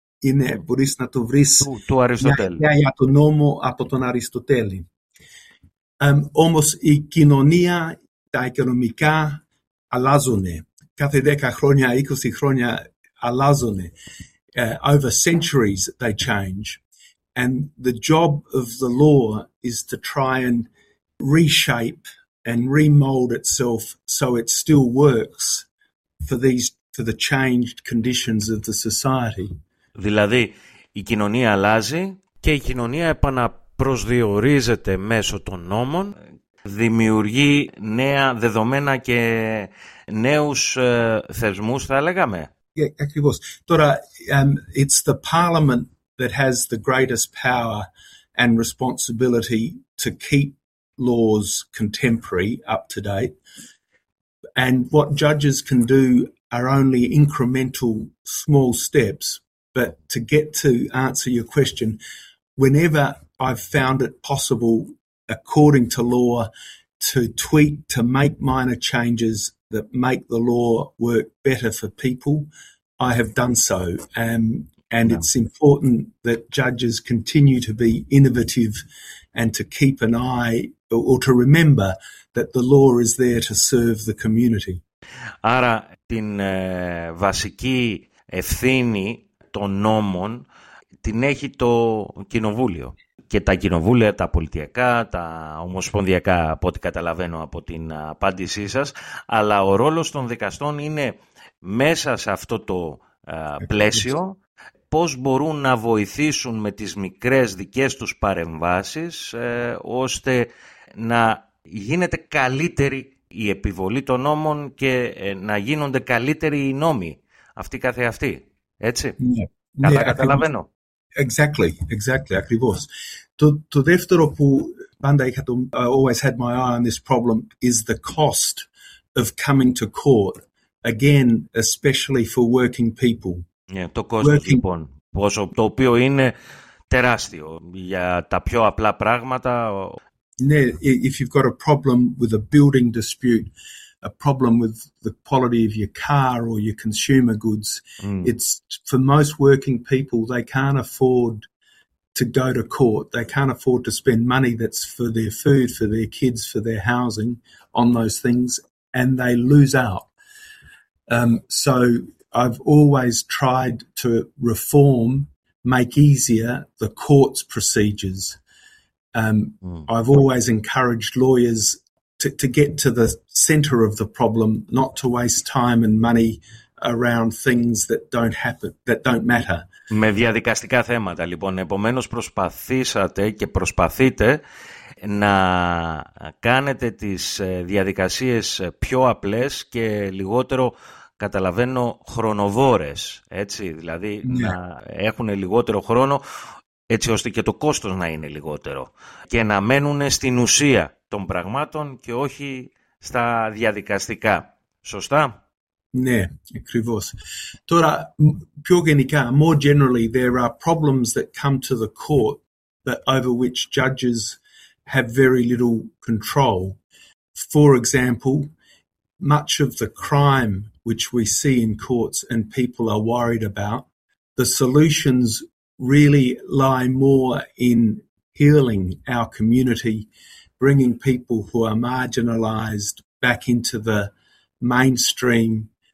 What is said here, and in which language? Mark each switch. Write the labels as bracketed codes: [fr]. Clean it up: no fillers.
[el] Είναι, μπορείς να το βρεις του Αριστοτέλη. Για τον νόμο από τον Αριστοτέλη. Όμως η κοινωνία, τα οικονομικά αλλάζουν. Κάθε 10 χρόνια, 20 χρόνια αλλάζουν. [en] Over centuries they change. And the job of the law is to try and reshape and remold itself so it still works for the changed conditions of the society. [el] Δηλαδή, η κοινωνία αλλάζει και η κοινωνία επαναπροσδιορίζεται μέσω των νόμων, δημιουργεί νέα δεδομένα και νέους θεσμούς, θα λέγαμε. Yeah, ακριβώς. [en] Τώρα, it's the parliament that has the greatest power and responsibility to keep laws contemporary, up to date. And what judges can do are only incremental small steps. But to get to answer your question, whenever I've found it possible, according to law, to tweak, to make minor changes that make the law work better for people, I have done so. And yeah. It's important that judges continue to be innovative and to keep an eye or to remember that the law is there to serve the community. [el] Άρα, την βασική ευθύνη των νόμων την έχει το κοινοβούλιο και τα κοινοβούλια, τα πολιτιακά, τα ομοσπονδιακά, από ό,τι καταλαβαίνω από την απάντησή σας, αλλά ο ρόλος των δικαστών είναι μέσα σε αυτό το πλαίσιο, πώς μπορούν να βοηθήσουν με τις μικρές δικές τους παρεμβάσεις ώστε να γίνεται καλύτερη η επιβολή των νόμων και να γίνονται καλύτεροι οι νόμοι αυτοί καθε αυτοί. Έτσι, ναι, καλά, καταλαβαίνω. [en] Exactly, [el] ακριβώς. Το δεύτερο που πάντα είχα το, [en] always had my eye on this problem, is the cost of coming to court, again, especially for working people. [el] Ναι, το κόστος working... λοιπόν, πόσο, το οποίο είναι τεράστιο για τα πιο απλά πράγματα. [en] Ναι, if you've got a problem with a building dispute, a problem with the quality of your car or your consumer goods. Mm. It's for most working people, they can't afford to go to court. They can't afford to spend money that's for their food, for their kids, for their housing on those things, and they lose out. So I've always tried to reform, make easier the court's procedures. I've always encouraged lawyers to get to the center of the problem, not to waste time and money around things that don't happen, that don't matter. [el] Με διαδικαστικά θέματα, λοιπόν. Επομένως, προσπαθήσατε και προσπαθείτε να κάνετε τις διαδικασίες πιο απλές και λιγότερο, καταλαβαίνω, χρονοβόρες, έτσι. Δηλαδή, yeah. να έχουν λιγότερο χρόνο, έτσι ώστε και το κόστος να είναι λιγότερο και να μένουν στην ουσία των πραγμάτων και όχι στα διαδικαστικά. Σωστά? Ναι, ακριβώς. Τώρα, πιο γενικά, [en] more generally, there are problems that come to the court but over which judges have very little control. For example, much of the crime which we see in courts and people are worried about, the solutions really lie more in healing our community, bringing people who are marginalized back into the mainstream,